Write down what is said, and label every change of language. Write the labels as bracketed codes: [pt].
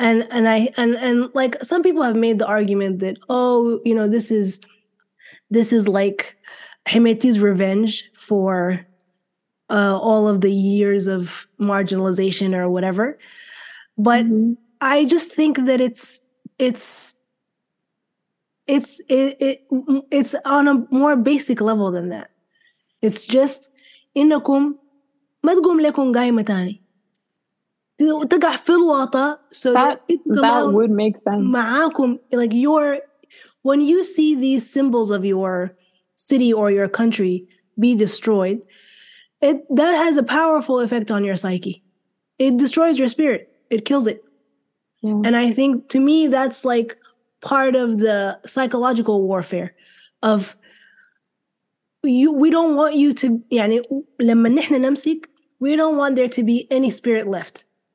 [en] And like some people have made the argument that, oh, you know, this is like Himeti's revenge for all of the years of marginalization or whatever. But I just think that it's on a more basic level than that. It's just [ar] إنكم ما تقوم لكم قايمة تاني تقع في الوطة [en] so that would make sense [ar] معاكم, [en] like your when you see these symbols of your city or your country be destroyed, it that has a powerful effect on your psyche. It destroys your spirit. It kills it. And I think to me that's like part of the psychological warfare of you, we don't want you to, [ar] يعني, لما نحن نمسك, [en] we don't want there to be any spirit left.